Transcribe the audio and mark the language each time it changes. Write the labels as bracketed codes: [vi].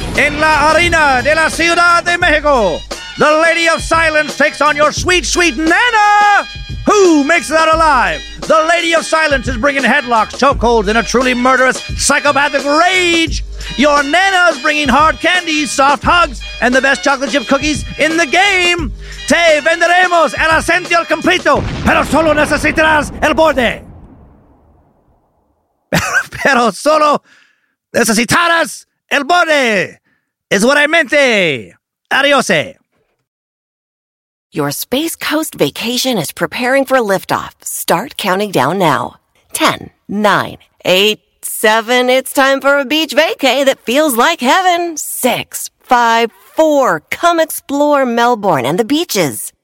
[es] En la arena de la Ciudad de México. [en] The Lady of Silence takes on your sweet, sweet Nana. Who makes it out alive? The Lady of Silence is bringing headlocks, chokeholds, and a truly murderous, psychopathic rage. Your Nana's bringing hard candies, soft hugs, and the best chocolate chip cookies in the game. [es] Te venderemos el asiento completo, pero solo necesitarás el borde. Pero solo necesitarás el borde. [en] Is what I meant. Adiós. Your Space Coast vacation is preparing for liftoff. Start counting down now. 10, 9, 8, 7, it's time for a beach vacay that feels like heaven. 6, 5, 4, come explore Melbourne and the beaches.